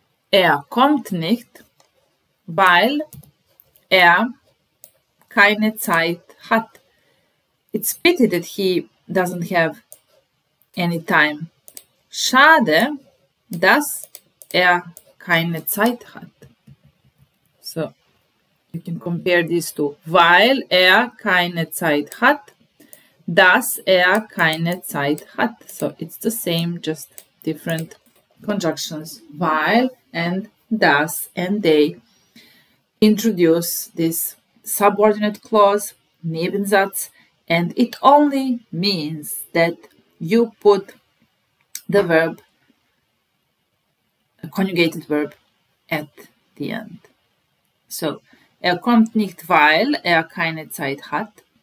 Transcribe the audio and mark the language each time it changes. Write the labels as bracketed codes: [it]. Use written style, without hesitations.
[de] Er kommt nicht, weil er keine Zeit hat. [en] It's pity that he doesn't have any time. [de] Schade, dass er keine Zeit hat. [en] So, you can compare these two. [de] Weil er keine Zeit hat, dass er keine Zeit hat. [en] So, it's the same, just different conjunctions. Weil and das and they introduce this subordinate clause, Nebensatz, and it only means that you put the verb, a conjugated verb, at the end. [de] So, er kommt nicht, weil er keine Zeit hat.